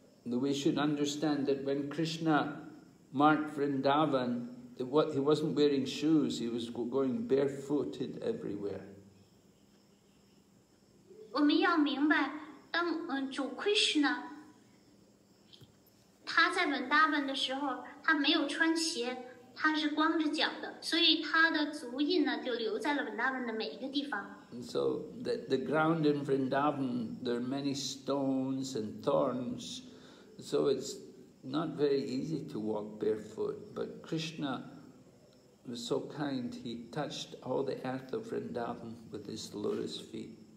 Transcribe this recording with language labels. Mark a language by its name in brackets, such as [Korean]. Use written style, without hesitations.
[English] We should understand that when Krishna marked Vrindavan, he wasn't wearing shoes, he was going barefooted everywhere. [Chinese] 我们要明白，当主 Krishna他在文达文的时候，他没有穿鞋，他是光着脚的，所以他的足印呢就留在了文达文的每一个地方。 [English] And so the ground in Vrindavan, there are many stones and thorns, so it's not very easy to walk barefoot. But Krishna was so kind; he touched all the earth of Vrindavan with his lotus feet.